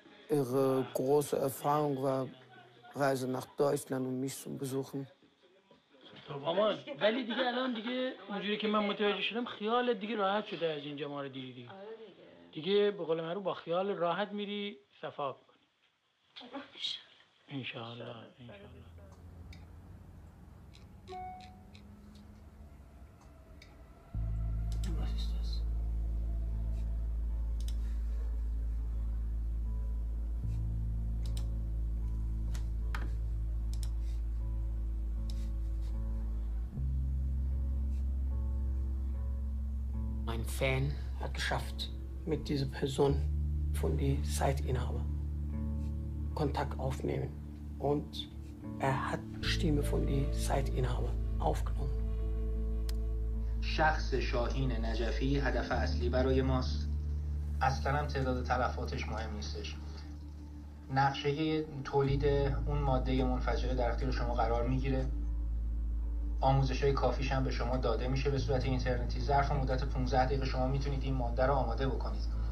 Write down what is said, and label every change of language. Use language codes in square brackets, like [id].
[de] Ihre große Erfahrung war Reise nach Deutschland, um mich zu besuchen. [fa] مامان، ولی دیگه الان دیگه اونجوری که من متوجه شدم خیالت دیگه راحت شده از اینجا ما رو دیدی. دیگه به قول معروف با خیال راحت میری صفا کنی. انشاءالله. [de] Was ist das? Mein Fan hat geschafft, mit dieser Person von der Site-Inhaber Kontakt aufnehmen. Und er hat Stimme von der Site-Inhaber aufgenommen. [fa] شخص شاهین نجفی هدف اصلی برای ماست. اصلا هم تعداد تلفاتش مهم نیستش. نقشه تولید اون ماده منفجره در اختیار شما قرار میگیره. آموزش های کافیش هم به شما داده میشه به صورت اینترنتی. ظرف مدت 15 دقیقه شما میتونید این ماده رو آماده بکنید.